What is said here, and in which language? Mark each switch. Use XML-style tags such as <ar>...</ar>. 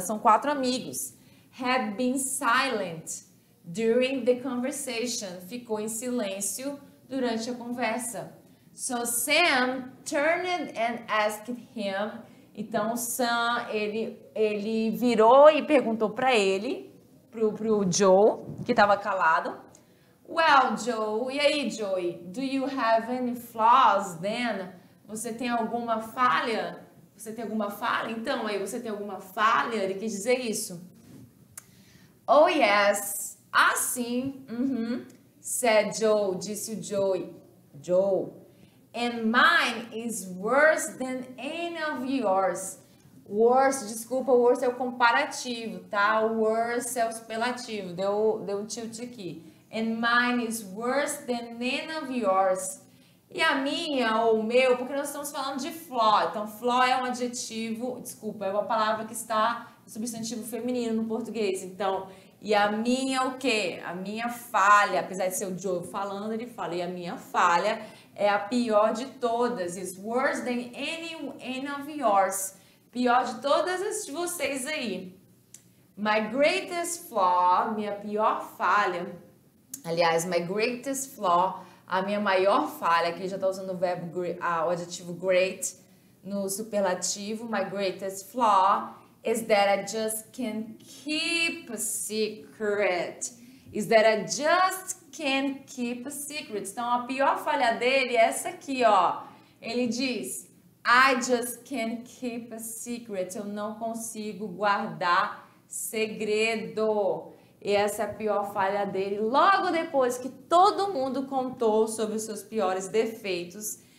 <pt>São quatro amigos.</pt> <en>Had been silent during the conversation.</en> <pt>Ficou em silêncio durante a conversa.</pt> <en>So Sam turned and asked him.</en> <pt>Então Sam, ele virou e perguntou para ele, pro Joe, que estava calado.</pt> <en>Well, Joe,</en> <pt>e aí,</pt> <en>Joey, do you have any flaws then?</en> <pt>Você tem alguma falha? Você tem alguma falha? Então, aí, você tem alguma falha? Ele quis dizer isso.</pt> <en>Oh, yes.</en> <pt>Ah, sim. Uh-huh.</pt> <en>Said Joe,</en> <pt>disse o Joey. Joe.</pt> <en>And mine is worse than any of yours.</en> <pt>Worse, desculpa, worse é o comparativo, tá? Worse é o superlativo. Deu um tilt aqui.</pt> <en>And mine is worse than any of yours.</en> <pt>E a minha ou o meu, porque nós estamos falando de flaw. Então, flaw é um adjetivo, desculpa, é uma palavra que está no substantivo feminino no português. Então, e a minha o quê? A minha falha, apesar de ser o Joe falando, ele fala, e a minha falha é a pior de todas.</pt> <en>It's worse than any of yours.</en> <pt>Pior de todas as de vocês aí.</pt> <en>My greatest flaw,</en> <pt>minha pior falha. Aliás,</pt> <en>my greatest flaw,</en> <pt>a minha maior falha, que já está usando o verbo, o adjetivo great no superlativo.</pt> <en>My greatest flaw is that I just can't keep a secret. Is that I just can't keep a secret.</en> <pt>Então, a pior falha dele é essa aqui, ó. Ele diz,</pt> <en>I just can't keep a secret.</en> <pt>Eu não consigo guardar segredo. E essa é a pior falha dele, logo depois que todo mundo contou sobre os seus piores defeitos.</pt>